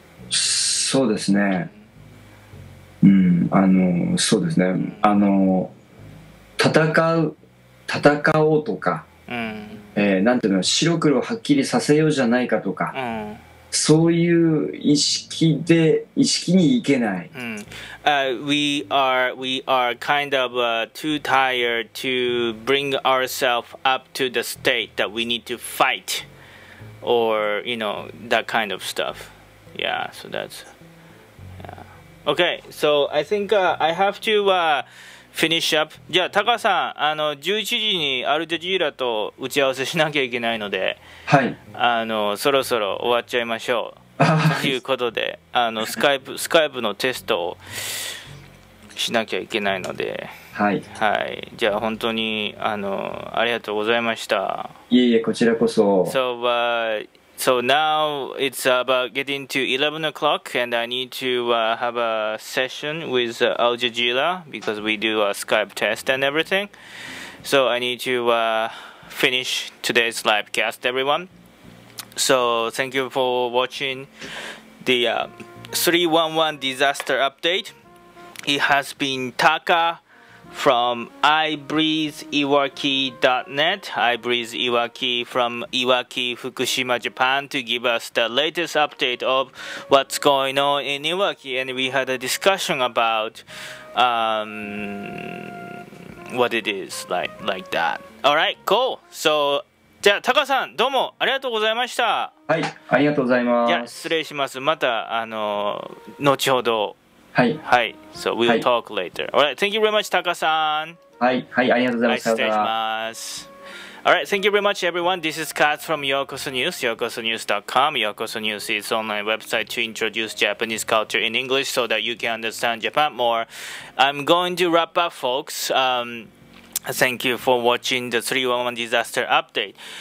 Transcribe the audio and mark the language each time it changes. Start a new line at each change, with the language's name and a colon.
Japanese: そうですね。うん、あのそうですね。あの戦おうとか、うん、なんていうの、白黒はっきりさせようじゃないかとか、うん、そういう意識にいけない。
English: うん、we are kind of too tired to bring ourselves up to the state that we need to fight. Or, you know, that kind of stuff. Yeah, so that's... Yeah. Okay, so I think I have to finish up.
Japanese: じゃあ、タカさん、あの11時にアルジャジーラと打ち合わせしなきゃいけないので、はい、あのそろそろ終わっちゃいましょう。ということで、あのスカイプのテストをしなきゃいけないので、はい、はい、じゃあ本当にあのありがとうございました。いえいえ、こちらこそ。
English: So now it's about getting to 11 o'clock and I need to have a session with Al Jazeera because we do a Skype test and everything. So I need to finish today's live cast, everyone. So thank you for watching the 311 disaster update. It has been Taka from ibreezeiwaki.net, ibreezeiwaki from Iwaki, Fukushima, Japan, to give us the latest update of what's going on in Iwaki. And we had a discussion about what it is like that. All right, cool.
Japanese: So, じゃあ、タカさん、どうもありがとうございました。はい、ありがとうございます。いや、失礼します。また、後ほど。はい。
English: はい。So, we'll、はい、talk later. All right, thank you very much, タカさん。
Japanese: はい、はい、ありがとうございました。失礼します。
English: All right, thank you very much, everyone. This is Katz from Yokoso News, yokosonews.com. Yokoso News is online website to introduce Japanese culture in English so that you can understand Japan more. I'm going to wrap up, folks. Thank you for watching the 311 disaster update.